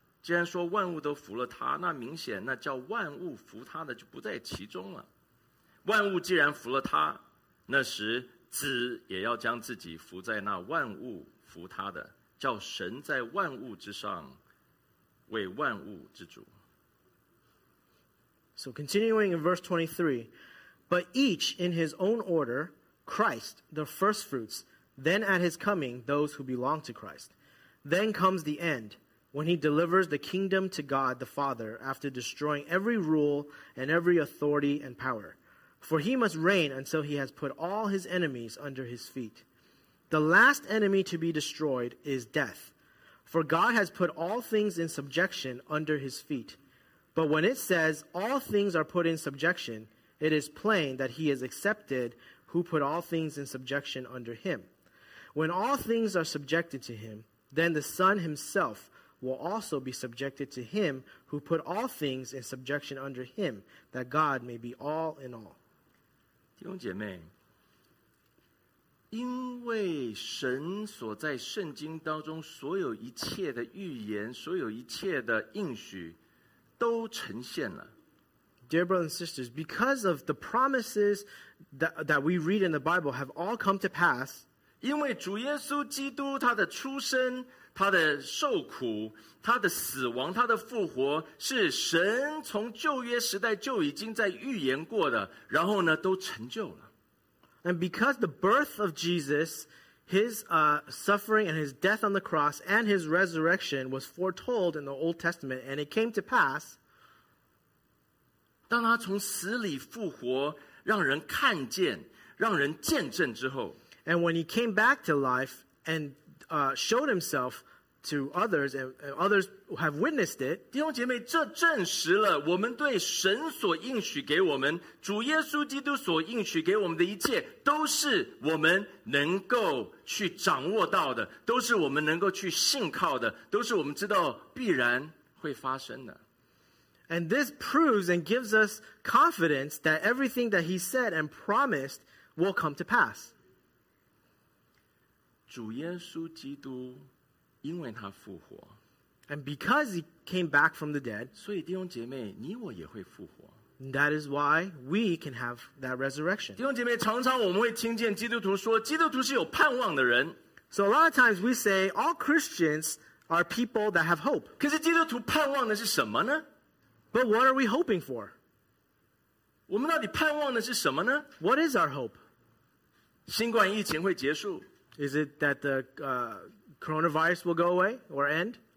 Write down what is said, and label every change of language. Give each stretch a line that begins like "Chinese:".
Chinese: 既然说万物都服了他，那明显那叫万物服他的就不在其中了。万物既然服了他，那时子也要将自己服在那万物服他的，叫神在万物之上为万物之主。
English: So continuing in verse 23, but each in his own order, Christ the first fruits, then at his coming those who belong to Christ, then comes the end, when he delivers the kingdom to God the Father after destroying every rule and every authority and power. For he must reign until he has put all his enemies under his feet. The last enemy to be destroyed is death. For God has put all things in subjection under his feet. But when it says all things are put in subjection, it is plain that he has accepted who put all things in subjection under him. When all things are subjected to him, then the Son himself will also be subjected to him who put all things in subjection under him, that God may be all in all.
Chinese: 弟兄姐妹，因为神所在圣经当中所有一切的预言，所有一切的应许都呈现了。
English: Dear brothers and sisters, because of the promises that we read in the Bible have all come to pass,
Chinese: 因为主耶稣基督他的出生，他的受苦，他的死亡，他的复活，是神从旧约时代就已经在预言过的，然后呢，都成就了。
English: And because the birth of Jesus, his suffering and his death on the cross and his resurrection was foretold in the Old Testament, and it came to pass,
Chinese: 当他从死里复活，让人看见，让人见证之后，
English: And when he came back to life andshowed himself to others, and others have witnessed it.
Chinese: 弟兄姐妹，这证实了我们对神所应许给我们，主耶稣基督所应许给我们的一切，都是我们能够去掌握到的，都是我们能够去信靠的，都是我们知道必然会发生的。
English: And this proves and gives us confidence that everything that he said and promised will come to pass.
Chinese: 主耶稣基督因为他复活，
English: And because he came back from the dead,
Chinese: 所以弟兄姐妹，你我也会复活。
English: That is why we can have that resurrection.
Chinese: 弟兄姐妹，常常我们会听见基督徒说，基督徒是有盼望的人。
English: So a lot of times we say, all Christians are people that have hope.
Chinese: 可是基督徒盼望的是什么呢？
English: But what are we hoping for?
Chinese: 我们到底盼望的是什么呢？
English: What is our hope?
Chinese: 新冠疫情会结束。
English: Is it that the coronavirus will go away or end?